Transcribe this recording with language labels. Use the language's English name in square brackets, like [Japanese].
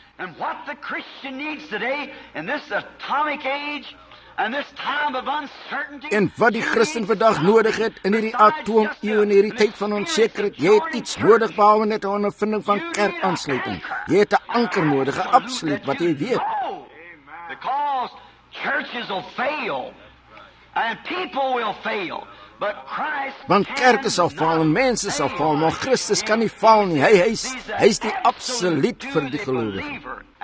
[English] And what the Christian needs today in this atomic age and this time of uncertainty. [Afrikaans] En wat die Christen vandag nodig het in hierdie atoomeeu en hierdie tyd van onsekerheid, jy het iets nodig behalwe net 'n ondervinding van kerkaansluiting. Jy het 'n anker nodig, 'n absoluut wat jy weet. [English] Because churches will fail and people will fail. [Afrikaans] Want kerke sal val, mense sal val, maar Christus kan nie val nie. Hy is die absoluut vir die gelowige.